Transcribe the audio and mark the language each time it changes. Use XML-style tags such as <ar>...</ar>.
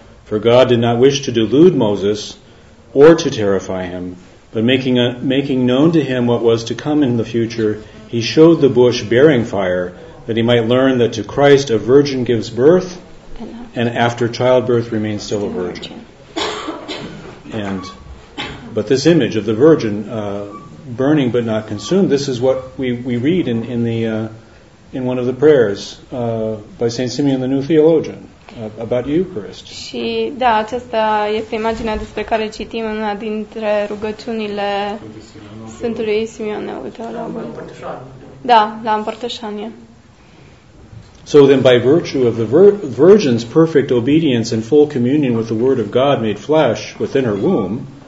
<en>For God did not wish to delude Moses or to terrify him, but making known to him what was to come in the future, he showed the bush bearing fire, that he might learn that to Christ a virgin gives birth, and after childbirth remains still a virgin. But this image of the virgin burning but not consumed, this is what we read in one of the prayers by St. Simeon the New Theologian. About Eucharist.</en> <ro>Și da, aceasta este imaginea despre care citim în una dintre rugăciunile Sfântului Simeon Neoteologul. Da, la împărtășanie.</ro> <en>So then by virtue of the Virgin's perfect obedience and full communion with the Word of God made flesh within her womb.</en>